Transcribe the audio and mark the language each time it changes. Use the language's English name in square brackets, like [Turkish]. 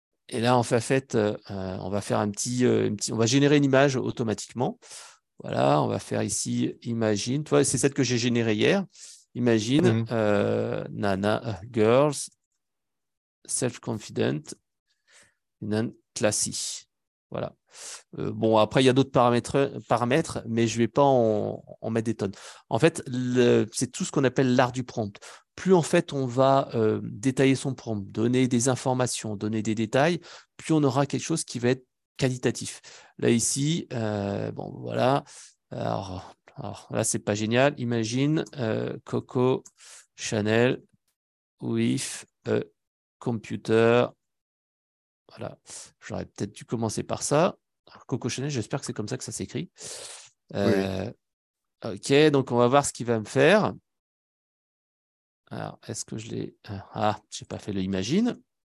[French] Et là, on va faire on va générer une image automatiquement. Voilà, on va faire ici, imagine. Toi, c'est celle que j'ai générée hier. [English] Imagine, Nana, girls, self-confident, and classy. [French] Voilà. Bon, après, il y a d'autres paramètres, mais je ne vais pas en mettre des tonnes. En fait, c'est tout ce qu'on appelle l'art du prompt. Plus en fait on va détailler son prompt, donner des informations, donner des détails, plus on aura quelque chose qui va être qualitatif. Là ici, bon voilà. Alors là c'est pas génial. [English] Imagine Coco Chanel with a computer. [French] Voilà, j'aurais peut-être dû commencer par ça. Alors, Coco Chanel, j'espère que c'est comme ça que ça s'écrit. Oui. Ok, donc on va voir ce qu'il va me faire. Alors, est-ce que je l'ai. Ah, je n'ai pas fait le imagine.